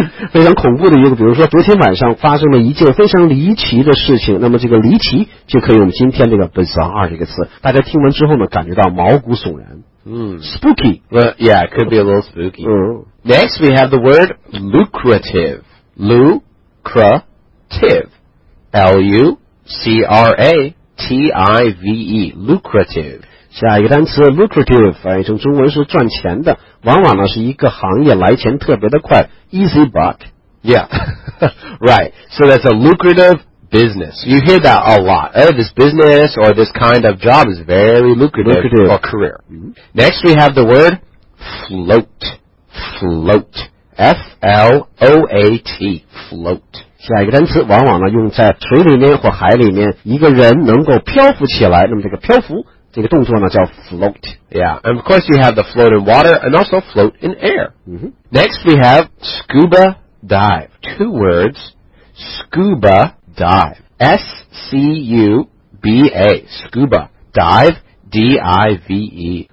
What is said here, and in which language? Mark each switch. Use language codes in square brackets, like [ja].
[zh] 非常恐怖的一个，比如说昨天晚上发生了一件非常离奇的事情，那么这个离奇就可以用今天这个 bizarre 这个词，大家听完之后呢感觉到毛骨悚然。 [en] Spooky. Well, yeah, it could be a little spooky. Next, we have the word lucrative. Lucrative. lucrative. L-U-C-R-A-T-I-V-E. Lucrative. [zh] 下一个单词 lucrative 翻译成中文是赚钱的，往往呢是一个行业来钱特别的快， easy buck. [en] Yeah. Right. So that's a lucrative business. You hear that a lot. Oh, this business or this kind of job is very lucrative for career. Next we have the word float. Float. F-L-O-A-T. Float. [zh] 下一个单词往往呢用在水里面或海里面，一个人能够漂浮起来，那么这个漂浮这个动作呢叫 float. [en] Yeah, and of course you have the float in water and also float in air.、 Mm-hmm. Next we have scuba dive. Two words, scuba dive. S-C-U-B-A, scuba dive. D-I-V-E.